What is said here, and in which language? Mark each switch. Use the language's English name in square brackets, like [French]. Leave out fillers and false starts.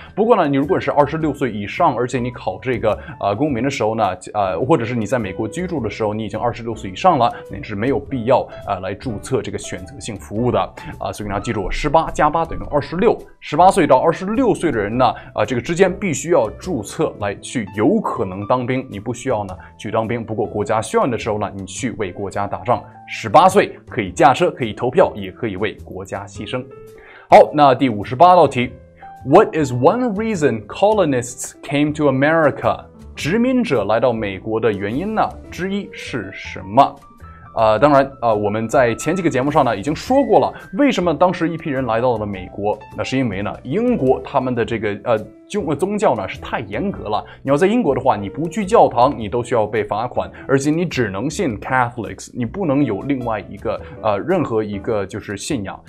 [Chinese] 不过呢你如果是26岁以上而且你考这个公民的时候呢或者是你在美国居住的时候你已经26岁以上了，你是没有必要来注册这个选择性服务的所以呢记住18加8等于26， 18岁到26岁的人呢这个之间必须要注册来去有可能当兵，你不需要呢去当兵，不过国家需要你的时候呢你去为国家打仗，18岁可以驾车可以投票也可以为国家牺牲。好，那第58道题。 [English] What is one reason colonists came to America? [Chinese] 殖民者来到美国的原因呢之一是什么？当然我们在前几个节目上呢已经说过了，为什么当时一批人来到了美国，那是因为呢英国他们的这个宗教呢是太严格了。你要在英国的话，你不去教堂你都需要被罚款，而且你只能信 Catholics， 你不能有另外一个任何一个就是信仰。